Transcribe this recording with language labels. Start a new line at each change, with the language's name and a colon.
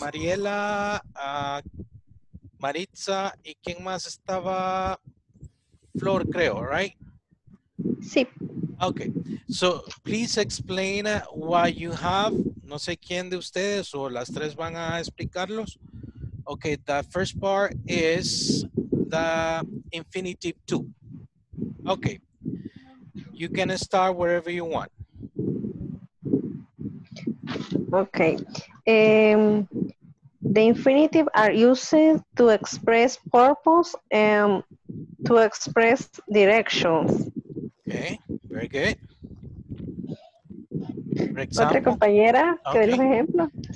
Spanish: Mariela, Maritza, y quién más estaba, Flor, creo,
English: right?
Spanish: Sí.
English: Okay, so please explain what you have.
Spanish: No sé quién de ustedes o las tres van a explicarlos.
English: Okay, the first part is the infinitive two. Okay, you can start wherever you want. Okay. The infinitive are used to express purpose and to express directions. Okay, very good. For example,
Spanish: otra compañera, que okay. De los ejemplos.